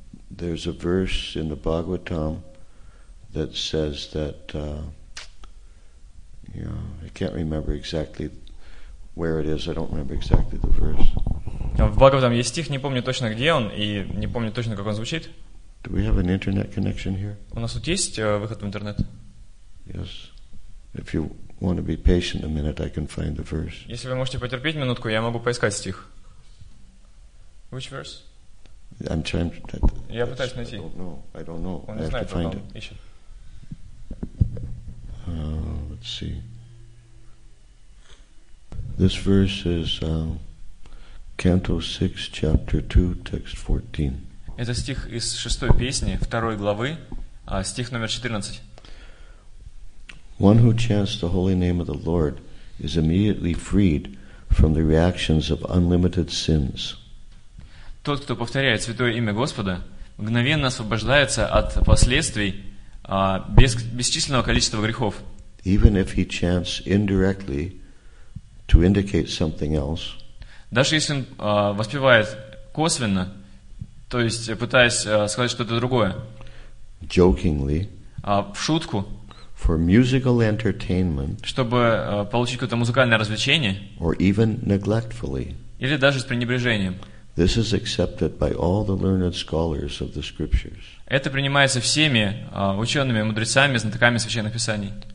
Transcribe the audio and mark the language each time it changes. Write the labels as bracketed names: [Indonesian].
[English] There's a verse in the Bhagavatam that says that, I can't remember exactly where it is. I don't remember exactly the verse. [Russian] В Бхагаватам есть стих, не помню точно, где он, и не помню точно, как он звучит. [English] Do we have an internet connection here? [Russian] У нас тут есть выход в интернет? [English] Yes. If you want to be patient a minute, I can find the verse. [Russian] Если вы можете потерпеть минутку, я могу поискать стих. [English] Which verse? I'm trying to... [Russian] Я пытаюсь найти. [English] I don't know. [Russian] Он не знает, [English] find [Russian] он ищет. [English] Let's see. This verse is... Canto 6, chapter 2, text 14. [Russian] Это стих из шестой песни, второй главы, стих номер 14. [English] One who chants the holy name of the Lord is immediately freed from the reactions of unlimited sins. [Russian] Тот, кто повторяет святое имя Господа, мгновенно освобождается от последствий бесчисленного количества грехов. [English] Even if he chants indirectly to indicate something else, [Russian] даже если он воспевает косвенно, то есть пытаясь сказать что-то другое, [English] jokingly, [Russian] в шутку, [English] for musical entertainment, [Russian] чтобы получить какое-то музыкальное развлечение, [English] or even neglectfully, [Russian] или даже с пренебрежением, [English] this is accepted by all the learned scholars of the scriptures. [Russian] Это принимается всеми учеными, мудрецами, знатоками священных писаний.